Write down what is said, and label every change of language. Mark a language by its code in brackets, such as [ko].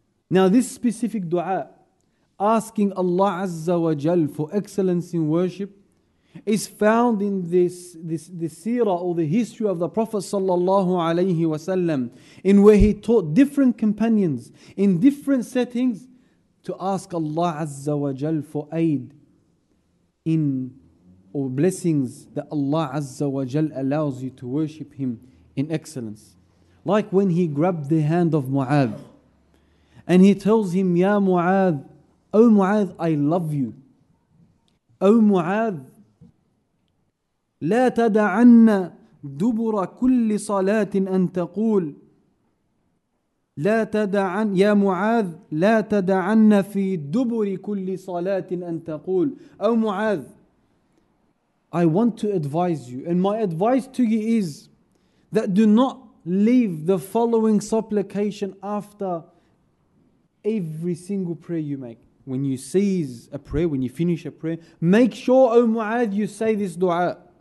[en] Now this specific dua, asking Allah Azza wa Jal for excellence in worship, is found in this seerah or the history of the Prophet sallallahu alayhi wasallam, in where he taught different companions in different settings to ask Allah Azza wa Jal for aid in or blessings that Allah Azza wa Jal allows you to worship Him in excellence. Like when he grabbed the hand of Mu'adh and he tells him, Ya Mu'adh, O Mu'adh, I love you. [ar] O Mu'adh, لا تدعن دبر كل صلاة أن تقول لا تدعن يا معاذ لا تدعن في دبر كل صلاة أن تقول أو معاذ. [en] I want to advise you, and my advice to you is that do not leave the following supplication after every single prayer you make. When you cease a prayer, when you finish a prayer, make sure, O Mu'adh, you say this dua.